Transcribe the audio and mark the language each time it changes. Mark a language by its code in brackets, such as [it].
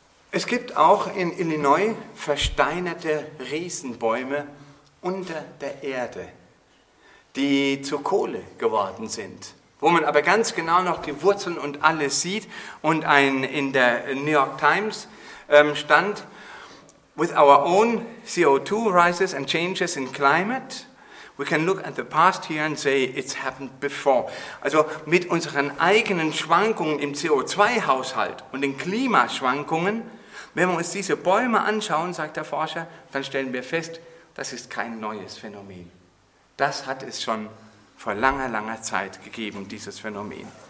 [de] Es gibt auch in Illinois versteinerte Riesenbäume unter der Erde, die zu Kohle geworden sind, wo man aber ganz genau noch die Wurzeln und alles sieht. Und ein in der New York Times stand, [en] with our own CO2 rises and changes in climate, we can look at the past here and say it's happened before. [de] Also mit unseren eigenen Schwankungen im CO2-Haushalt und den Klimaschwankungen, wenn wir uns diese Bäume anschauen, sagt der Forscher, dann stellen wir fest, das ist kein neues Phänomen. Das hat es schon vor langer, langer Zeit gegeben, dieses Phänomen.